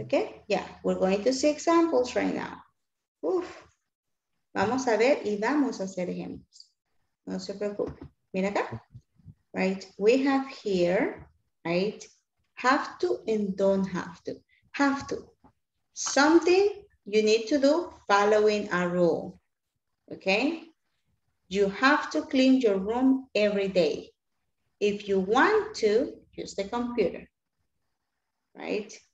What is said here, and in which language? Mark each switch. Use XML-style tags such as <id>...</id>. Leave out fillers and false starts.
<en>Okay, yeah, we're going to see examples right now. Uf.</en> <es>Vamos a ver y vamos a hacer ejemplos. No se preocupe. Mira acá.</es> <en>Right, we have here, right, have to and don't have to. Have to, something you need to do following a rule, okay? You have to clean your room every day. If you want to, use the computer, right?</en>